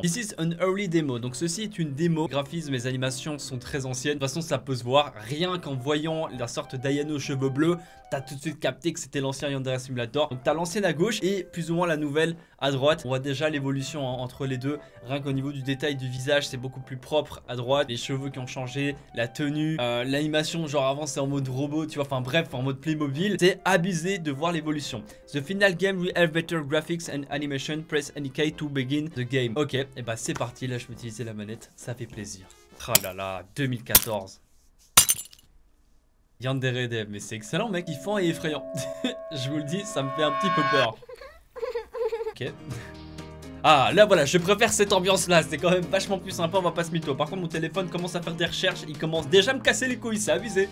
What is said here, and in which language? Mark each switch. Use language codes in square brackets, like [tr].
[en] This is an early demo, [fr] donc ceci est une démo. Les graphismes, les animations sont très anciennes. De toute façon, ça peut se voir, rien qu'en voyant la sorte d'Ayano aux cheveux bleus, t'as tout de suite capté que c'était l'ancien Yandere Simulator. Donc t'as l'ancienne à gauche et plus ou moins la nouvelle à droite. On voit déjà l'évolution entre les deux, rien qu'au niveau du détail du visage. C'est beaucoup plus propre à droite. Les cheveux qui ont changé, la tenue, l'animation, genre avant c'est en mode robot, tu vois. Enfin bref, en mode Playmobil. C'est abusé de voir l'évolution. [en] The final game will have better graphics and animation. Press any key to begin the game. [fr] Ok, et bah c'est parti. Là je vais utiliser la manette, ça fait plaisir. Oh là là, 2014. Yandere Dev, mais c'est excellent mec, il fend et effrayant. Je vous le dis, ça me fait un petit peu peur. Ok. Ah là voilà, je préfère cette ambiance là, c'est quand même vachement plus sympa, on va pas se mytho. Par contre mon téléphone commence à faire des recherches, il commence déjà à me casser les couilles, c'est abusé.